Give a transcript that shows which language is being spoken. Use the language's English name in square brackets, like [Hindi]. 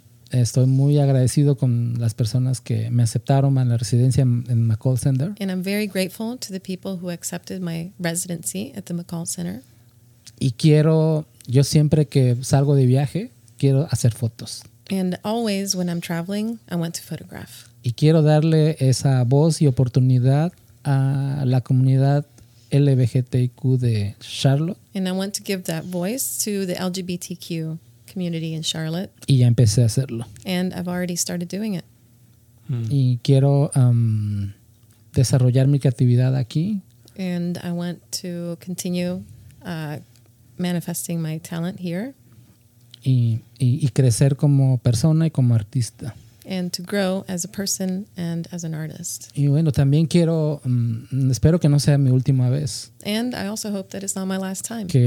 [Spanish] Estoy muy agradecido con las personas que me aceptaron en la residencia en McColl Center. [English] And I'm very grateful to the people who accepted my residency at the McColl Center. [Spanish] Y quiero, yo siempre que salgo de viaje, quiero hacer fotos. [English] And always when I'm traveling, I want to photograph. [Spanish] Y quiero darle esa voz y oportunidad a la comunidad LGBTQ de Charlotte. [English] And I want to give that voice to the LGBTQ community in Charlotte. [Spanish] Y ya empecé a hacerlo. [English] And I've already started doing it. [Spanish] Hmm. Y quiero desarrollar mi creatividad aquí. [English] And I want to continue manifesting my talent here. [Spanish] Y crecer como persona y como artista. [English] And to grow as a person and as an artist. [Spanish] Y bueno, también quiero, espero que no sea mi última vez. [English] And I also hope that it's not my last time.